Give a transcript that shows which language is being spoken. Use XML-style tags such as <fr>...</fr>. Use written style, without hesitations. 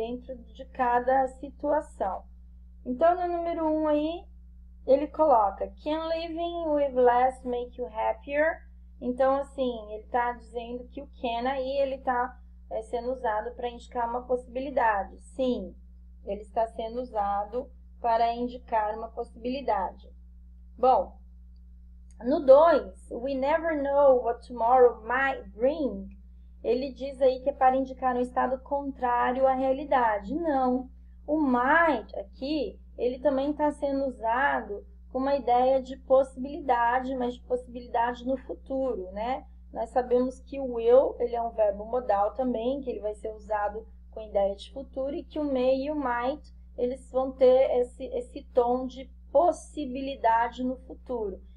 <pt>Dentro de cada situação. Então, no número 1 aí, ele coloca:</pt> <en>Can living with less make you happier?</en> <pt>Então, assim, ele está dizendo que o can aí ele está sendo usado para indicar uma possibilidade. Sim, ele está sendo usado para indicar uma possibilidade. Bom, no 2,</pt> <en>we never know what tomorrow might bring.</en> <pt>Ele diz aí que é para indicar um estado contrário à realidade. Não. O might aqui, ele também está sendo usado com uma ideia de possibilidade, mas de possibilidade no futuro, né? Nós sabemos que o will, ele é um verbo modal também, que ele vai ser usado com ideia de futuro, e que o may e o might, eles vão ter esse tom de possibilidade no futuro.</pt>